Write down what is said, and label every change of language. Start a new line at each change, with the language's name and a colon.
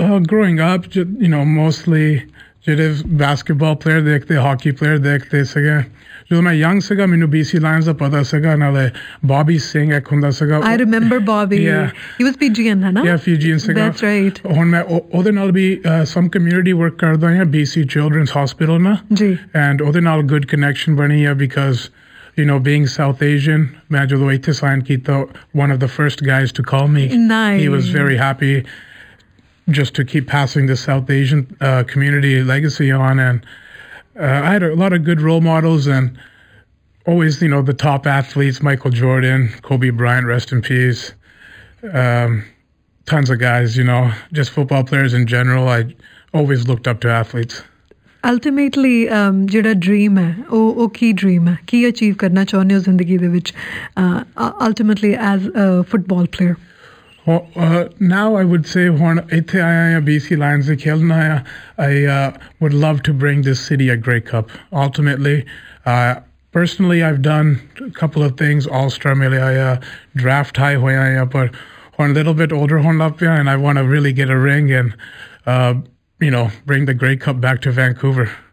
English: growing up you know mostly
Punjabi: ਜਿਹੜੇ
English: basketball player ਦੇਖਦੇ, hockey player
Punjabi: ਦੇਖਦੇ ਸੀਗੇ। ਜਦੋਂ ਮੈਂ ਯੰਗ ਸੀਗਾ ਮੈਨੂੰ ਬੀਸੀ ਲਾਇਨਸ ਦਾ ਪਤਾ ਸੀਗਾ, ਨਾਲੇ ਬਾਬੀ ਸਿੰਘ ਇੱਕ ਹੁੰਦਾ ਸੀਗਾ,
English: I remember Bobby, he was PGN
Punjabi: ਹੈ ਨਾ? ਯਾ, ਪੀਜੀਐਨ ਸੀਗਾ,
English: That's right.
Punjabi: ਹੁਣ ਮੈਂ ਉਹਦੇ ਨਾਲ ਵੀ
English: some community work
Punjabi: ਕਰਦਾ ਹਾਂ ਬੀਸੀ ਚਿਲਡਰਨਸ ਹਾਸਪਿਟਲ ਨਾ ਜੀ,
English: and
Punjabi: ਉਹਦੇ ਨਾਲ
English: good connection
Punjabi: ਬਣੀ ਆ,
English: because you know, being South Asian,
Punjabi: ਮੈਂ ਜਦੋਂ ਇੱਥੇ ਸਾਈਨ ਕੀਤਾ,
English: one of the first guys to call me, nice. He was very happy just to keep passing the South Asian community legacy on, and I had a lot of good role models, and always, you know, the top athletes, Michael Jordan, Kobe Bryant, rest in peace, tons of guys, you know, just football players in general, I always looked up to athletes.
Punjabi: Ultimately, ਜਿਹੜਾ dream ਹੈ ਉਹ ਕੀ dream ਹੈ, ਕੀ achieve ਕਰਨਾ ਚਾਹੁੰਦੇ ਹੋ ਜ਼ਿੰਦਗੀ ਦੇ ਵਿੱਚ ultimately
English: As a football player? Now I would say
Punjabi: ਹੁਣ ਇੱਥੇ ਆਇਆ ਹਾਂ,
English: BC Lions
Punjabi: ਦੇ ਖੇਲਣ ਆਇਆ,
English: I would love to bring this city a great cup. Ultimately, personally I've done a couple of things, All-Star
Punjabi: ਮਿਲਿਆ ਆਇਆ,
English: draft high
Punjabi: ਹੋਇਆ ਆਇਆ, ਪਰ ਹੁਣ
English: little bit older
Punjabi: ਹੋਣ ਲੱਗ ਪਿਆ,
English: and I want to really get a ring and you know, bring the Grey Cup back to Vancouver.